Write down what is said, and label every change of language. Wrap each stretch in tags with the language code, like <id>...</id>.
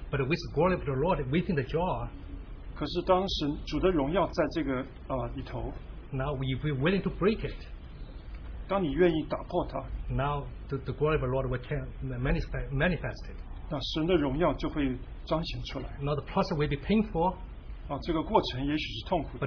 <en>but with the glory of the Lord within the jaw.</en> <zh>可是当神主的荣耀在这个, 里头,</zh> <en>now if we're willing to break it,</en> <zh>当你愿意打破它,</zh> <en>now the glory of the Lord will manifest it.</en> <zh>那神的荣耀就会彰显出来。</zh> <en>Now the process will be painful,</en> <zh>这个过程也许是痛苦的,</zh>